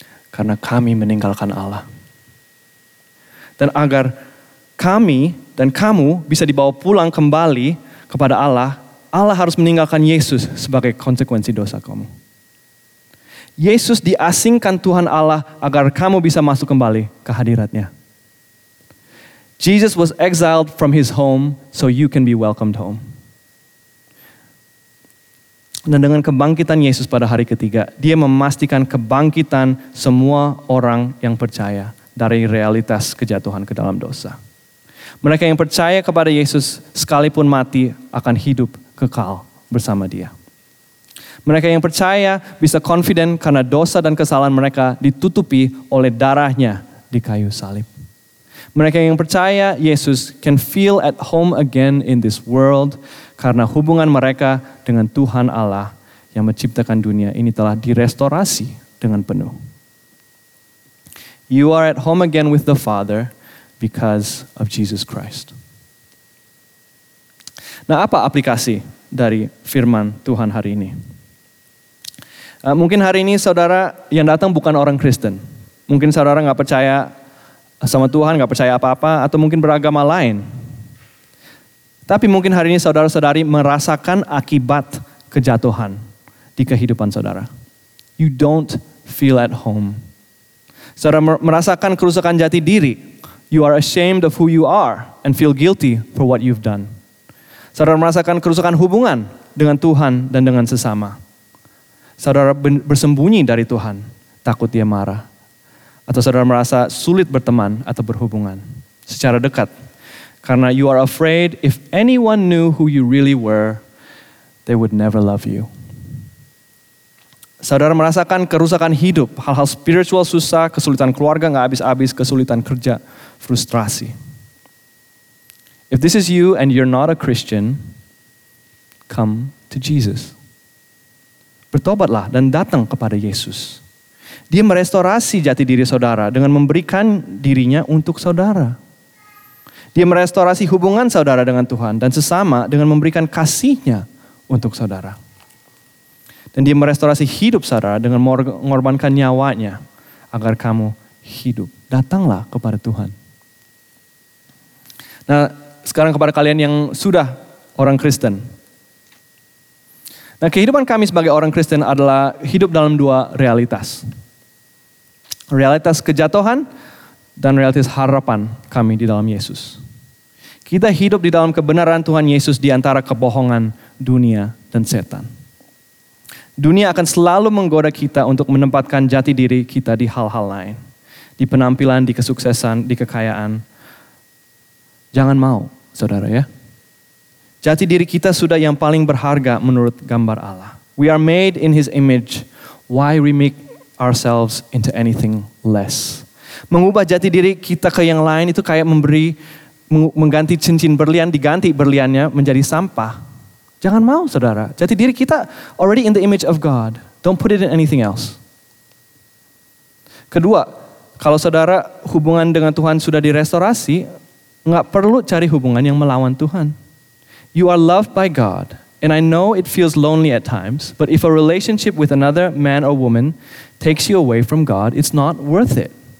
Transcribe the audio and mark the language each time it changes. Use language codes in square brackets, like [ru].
[id] Karena kami meninggalkan Allah. Dan agar kami dan kamu bisa dibawa pulang kembali kepada Allah, Allah harus meninggalkan Yesus sebagai konsekuensi dosa kamu. Yesus diasingkan Tuhan Allah agar kamu bisa masuk kembali ke hadirat-Nya. [en] Jesus was exiled from his home so you can be welcomed home. [id] Dan dengan kebangkitan Yesus pada hari ketiga, dia memastikan kebangkitan semua orang yang percaya dari realitas kejatuhan ke dalam dosa. Mereka yang percaya kepada Yesus sekalipun mati akan hidup kekal bersama dia. Mereka yang percaya bisa confident karena dosa dan kesalahan mereka ditutupi oleh darahnya di kayu salib. Mereka yang percaya Yesus [en] can feel at home again in this world [id] karena hubungan mereka dengan Tuhan Allah yang menciptakan dunia ini telah direstorasi dengan penuh. [en] You are at home again with the Father because of Jesus Christ. [id] Nah, apa aplikasi dari firman Tuhan hari ini? Mungkin hari ini saudara yang datang bukan orang Kristen. Mungkin saudara gak percaya sama Tuhan, gak percaya apa-apa, atau mungkin beragama lain. Tapi mungkin hari ini saudara-saudari merasakan akibat kejatuhan di kehidupan saudara. [en] You don't feel at home. [id] Saudara merasakan kerusakan jati diri. [en] You are ashamed of who you are and feel guilty for what you've done. [id] Saudara merasakan kerusakan hubungan dengan Tuhan dan dengan sesama. Saudara bersembunyi dari Tuhan, takut dia marah. Atau saudara merasa sulit berteman atau berhubungan secara dekat. Karena [en] you are afraid if anyone knew who you really were, they would never love you. [id] Saudara merasakan kerusakan hidup, hal-hal spiritual susah, kesulitan keluarga gak habis-habis, kesulitan kerja, frustrasi. [en] If this is you and you're not a Christian, come to Jesus. [id] Bertobatlah dan datang kepada Yesus. Dia merestorasi jati diri saudara dengan memberikan dirinya untuk saudara. Dia merestorasi hubungan saudara dengan Tuhan dan sesama dengan memberikan kasihnya untuk saudara. Dan dia merestorasi hidup saudara dengan mengorbankan nyawanya agar kamu hidup. Datanglah kepada Tuhan. Nah, sekarang kepada kalian yang sudah orang Kristen. Nah, kehidupan kami sebagai orang Kristen adalah hidup dalam dua realitas. Realitas kejatuhan dan realitas harapan kami di dalam Yesus. Kita hidup di dalam kebenaran Tuhan Yesus di antara kebohongan dunia dan setan. Dunia akan selalu menggoda kita untuk menempatkan jati diri kita di hal-hal lain. Di penampilan, di kesuksesan, di kekayaan. Jangan mau, saudara ya. Jati diri kita sudah yang paling berharga menurut gambar Allah. [en] We are made in his image. Why remake ourselves into anything less? [id] Mengubah jati diri kita ke yang lain itu kayak mengganti cincin berlian, diganti berliannya menjadi sampah. Jangan mau, saudara. Jati diri kita [en] already in the image of God. Don't put it in anything else. [id] Kedua, kalau saudara hubungan dengan Tuhan sudah direstorasi, gak perlu cari hubungan yang melawan Tuhan. [en] You are loved by God, and I know it feels lonely at times, but if a relationship with another man or woman takes you away from God, it's not worth it.